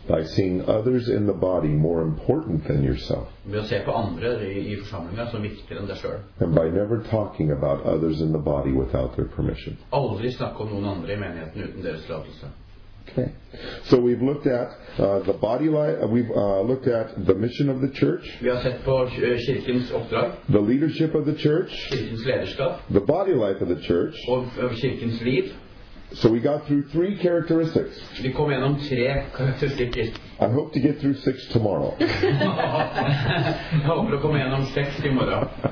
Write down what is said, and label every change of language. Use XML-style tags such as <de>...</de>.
<en>By seeing others in the body more important than yourself.</en> <no>Ved å se på andre I forsamlingen som viktigere enn deg selv.</no> <en>And by never talking about others in the body without their permission.</en> <no>Aldri snakke om noen andre I menigheten uten deres tillatelse.</no> <en>Okay. So we've looked at the body life, we've looked at the mission of the church.</en> <no>Vi har sett på kirkens oppdrag.</no> <en>The leadership of the church.</en> <no>Kirkens lederskap.</no> <en>The body life of the church.</en> <no>Og kirkens liv.</no> <en>So we got through three characteristics.</en> <no>Vi kom gjennom tre karakteristikker.</no> <en>I hope to get through six tomorrow.</en> <no>Jeg håper å komme gjennom seks I morgen.</no>